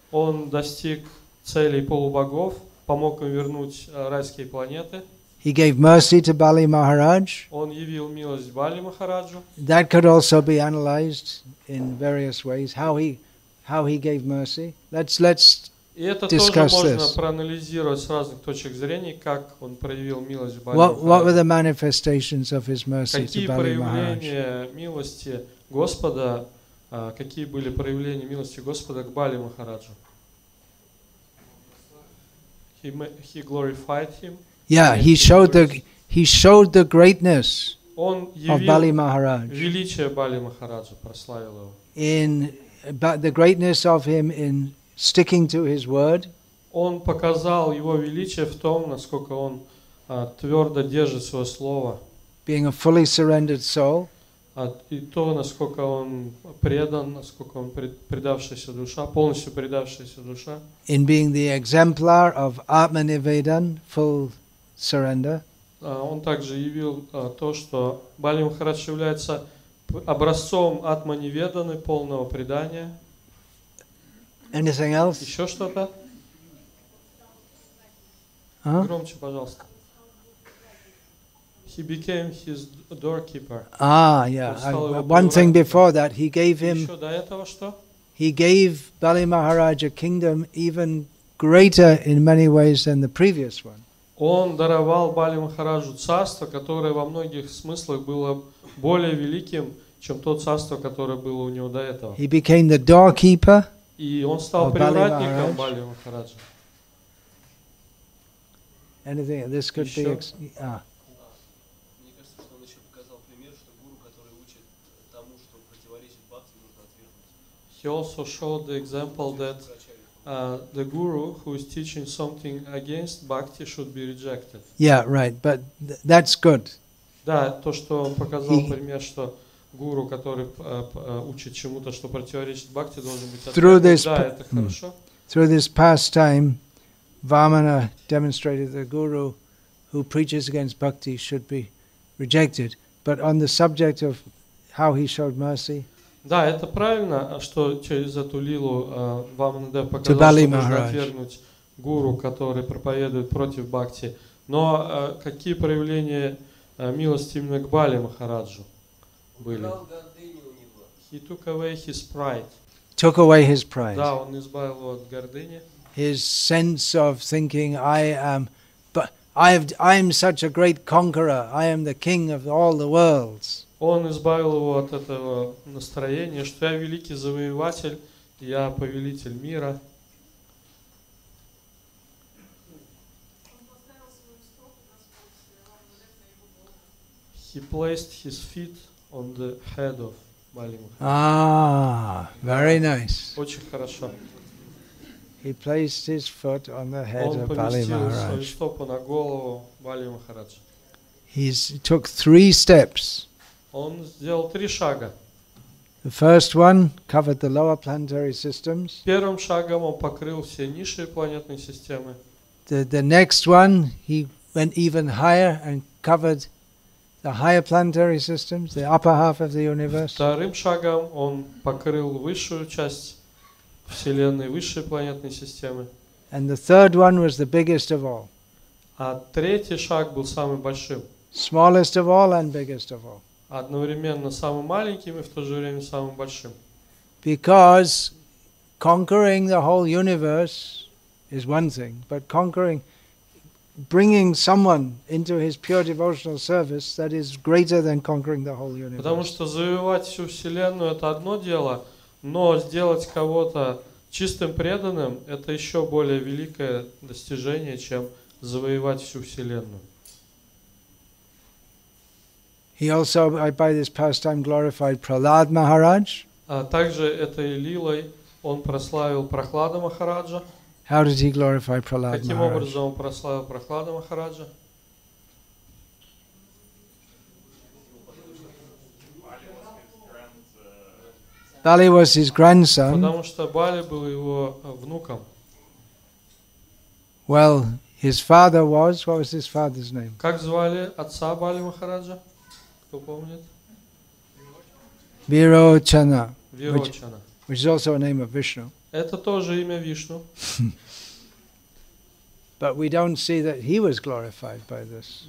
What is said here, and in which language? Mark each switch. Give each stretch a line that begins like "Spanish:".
Russian: Он достиг целей полубогов, помог им вернуть райские планеты.
English: He gave mercy to Bali Maharaj.
Russian: Он явил милость Бали Махараджу.
English: That could also be analyzed in various ways. How he gave mercy. Let's discuss this.
Russian: И это тоже можно проанализировать с разных точек зрения, как он проявил милость Бали Махараджу.
English: What were the manifestations of his mercy to Bali Maharaj?
Russian: Какие проявления милости Господа, какие были проявления милости Господа к Бали Махараджу?
English: He glorified him. Yeah, he showed the greatness of Bali Maharaj.
Russian: Величие Бали Махараджа прославил его.
English: In but the greatness of him in sticking to his word.
Russian: Он показал его величие в том, насколько он твердо держит свое слово.
English: Being a fully surrendered soul.
Russian: И то, насколько он предан, насколько он предавшаяся душа, полностью предавшаяся душа.
English: In being the exemplar of Atmanivedan, full surrender.
Russian: Он также явил то, что Бали Махарадж является образцом Атманиведаны, полного предания.
English: Anything else?
Russian: Еще что-то? Громче, пожалуйста.
English: He became his doorkeeper. One thing before that, he gave him.
Russian: Еще до этого что?
English: He gave Бали Махарадж a kingdom even greater in many ways than the previous one.
Russian: Он даровал Бали Махараджу царство, которое во многих смыслах было более великим, чем то царство, которое было у него до этого.
English: He became the doorkeeper.
Russian: И он стал привратником Бали Махараджа.
English: Anything? This could
Russian: еще?
English: Be.
Russian: Мне кажется, что он еще показал пример, что гуру, который учит тому, что противоречит бхакти, нужно отвергнуть.
English: He also showed the example that the guru who is teaching something against bhakti should be rejected. Yeah, right. But that's good.
Russian: Да, то, что он показал пример, что гуру, который учит чему-то, что противоречит бхакти, должен быть отвергнут. Да, это хорошо.
English: Through this pastime, Vamana demonstrated that guru who preaches against bhakti should be rejected. But on the subject of how he showed mercy.
Russian: Да, это правильно, что через эту лилу Вамандев показал, что нужно отвергнуть гуру, который проповедует против бхакти. Но какие проявления милости именно к Бали Махараджу были?
English: He took away his pride. Took away his pride.
Russian: Да, он избавил его от гордыни.
English: His sense of thinking, I am such a great conqueror. I am the king of all the worlds.
Russian: Он избавил его от этого настроения, что я великий завоеватель, я повелитель мира.
English: He placed his feet on the head of Bali Махарадж. Very nice.
Russian: Очень хорошо.
English: He placed his foot on the head of Bali Махарадж. He took three steps.
Russian: Он сделал три шага.
English: The first one covered the lower planetary systems.
Russian: Первым шагом он покрыл все низшие планетные системы.
English: The next one he went even higher and covered the higher planetary systems, the upper half of the universe.
Russian: Вторым шагом он покрыл высшую часть вселенной, высшие планетные системы.
English: And the third one was the biggest of all.
Russian: А третий шаг был самым большим.
English: Smallest of all and biggest of all.
Russian: Одновременно самым маленьким и в то же время самым большим.
English: Because conquering the whole universe is one thing, but conquering, bringing someone into his pure devotional service, that is greater than conquering the whole universe.
Russian: Потому что завоевать всю вселенную — это одно дело, но сделать кого-то чистым преданным — это еще более великое достижение, чем завоевать всю вселенную.
English: He also, by this pastime, glorified Prahlad Maharaj.
Russian: Также этой лилой он прославил Прохлада Махараджа.
English: How did he glorify Prahlad
Russian: Каким образом он прославил Прохлада Махараджа?
English: Bali was his grandson.
Russian: Потому что Бали был его внуком.
English: Well, his father was. What was his father's name?
Russian: Как звали отца Бали Махараджа? Кто помнит? Вирочана. Вирочана.
English: Which is also a name of Vishnu.
Russian: Это тоже имя Вишну.
English: But we don't see that he was glorified by this.